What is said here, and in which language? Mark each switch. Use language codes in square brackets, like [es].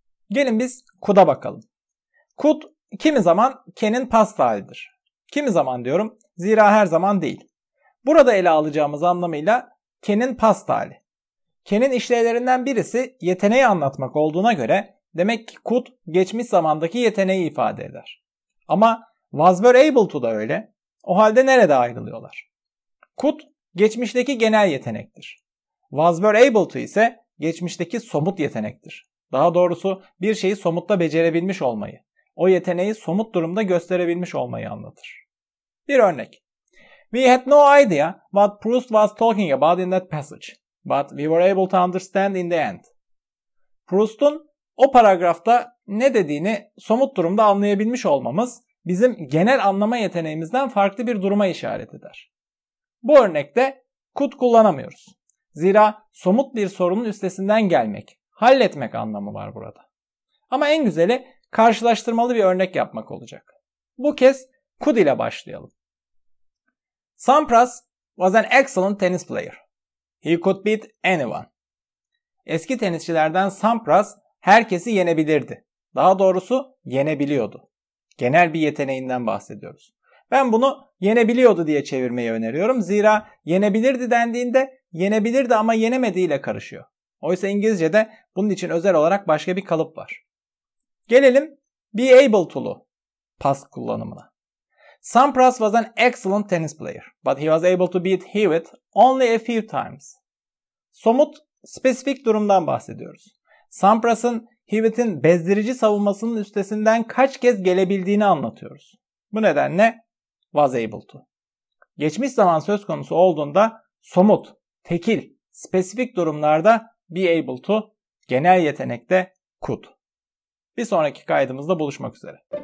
[tr] Gelin biz could'a bakalım. Could kimi zaman can'in past halidir. Kimi zaman diyorum, zira her zaman değil. Burada ele alacağımız anlamıyla can'in past hali. Can'in işlevlerinden birisi yeteneği anlatmak olduğuna göre demek ki could geçmiş zamandaki yeteneği ifade eder. Ama was were able to da öyle. O halde nerede ayrılıyorlar? Could geçmişteki genel yetenektir. Was were able to ise geçmişteki somut yetenektir. Daha doğrusu bir şeyi somutta becerebilmiş olmayı, o yeteneği somut durumda gösterebilmiş olmayı anlatır. Bir örnek. [en] We had no idea what Proust was talking about in that passage, but we were able to understand in the end. [tr] Proust'un o paragrafta ne dediğini somut durumda anlayabilmiş olmamız bizim genel anlama yeteneğimizden farklı bir duruma işaret eder. Bu örnekte could kullanamıyoruz. Zira somut bir sorunun üstesinden gelmek, halletmek anlamı var burada. Ama en güzeli karşılaştırmalı bir örnek yapmak olacak. Bu kez could ile başlayalım. [en] Sampras was an excellent tennis player. He could beat anyone. [tr] Eski tenisçilerden Sampras herkesi yenebilirdi. Daha doğrusu yenebiliyordu. Genel bir yeteneğinden bahsediyoruz. Ben bunu yenebiliyordu diye çevirmeyi öneriyorum. Zira yenebilirdi dendiğinde yenebilirdi ama yenemedi ile karışıyor. Oysa İngilizce'de bunun için özel olarak başka bir kalıp var. Gelelim be able to'lu past kullanımına. [en] Sampras was an excellent tennis player, but he was able to beat Hewitt only a few times. [tr] Somut, spesifik durumdan bahsediyoruz. Sampras'ın Hewitt'in bezdirici savunmasının üstesinden kaç kez gelebildiğini anlatıyoruz. Bu nedenle was able to. Geçmiş zaman söz konusu olduğunda somut, tekil, spesifik durumlarda be able to, genel yetenekte could. Bir sonraki kaydımızda buluşmak üzere.